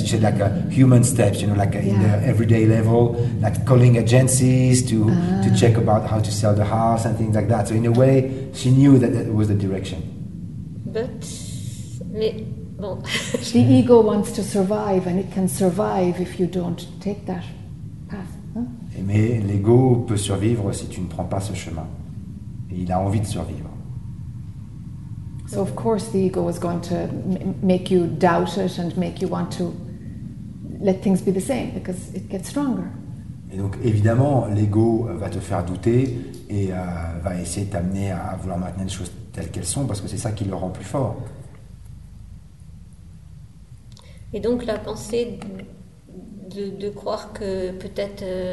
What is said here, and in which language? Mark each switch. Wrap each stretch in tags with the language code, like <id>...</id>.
<en>She said like a human steps, you know, like in the everyday level, like calling agencies to check about how to sell the house and things like that. So in a way, she knew that was the direction. The ego wants to survive, and it can survive if you don't take that path. Huh?</en> <fr>Mais l'ego peut survivre si tu ne prends pas ce chemin. Il a envie de survivre.</fr> <en>So of course the ego is going to make you doubt it and make you want to let things be the same because it gets stronger.</en> <fr>Et donc évidemment, l'ego va te faire douter et va essayer de t'amener à vouloir maintenir les choses telles qu'elles sont parce que c'est ça qui le rend plus fort. Et donc la pensée de croire que peut-être...</fr>